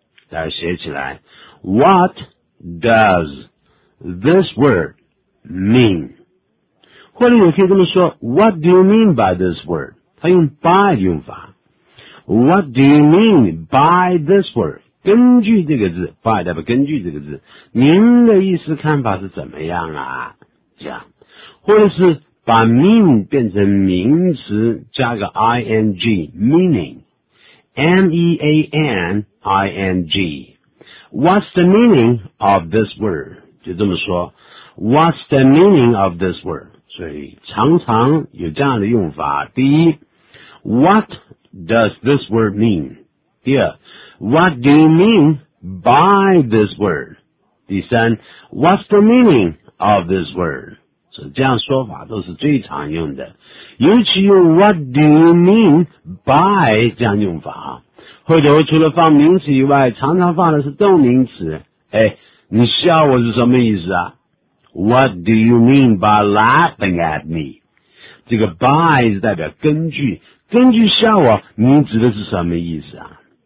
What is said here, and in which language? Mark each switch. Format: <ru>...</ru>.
<zh>大家写起来</zh> <en>What does this word mean?</en> <zh>或者也可以这么说</zh> <en>What do you mean by this word?</en> <zh>它用 by 的用法。</zh> <en>What do you mean by this word?</en> <zh>根据这个字 by 代表根据这个字，您的意思看法是怎么样啊，这样。或者是把</zh> <en>mean 变成名词加个 ing, meaning, meaning, what's the meaning of this word?</en> <zh>就这么说</zh> <en>what's the meaning of this word?</en> <zh>所以常常有这样的用法，第一</zh> <en>what does this word mean? 第二 what do you mean by this word? 第三 what's the meaning of this word?</en> <zh>这样说法都是最常用的，尤其用 What do you mean by 这样用法，回头除了放名词以外，常常放的是动名词。哎，你笑我是什么意思啊？</zh> <en>What do you mean by laughing at me?</en> <zh>这个 by 是代表根据，根据笑我，你指的是什么意思啊？</zh>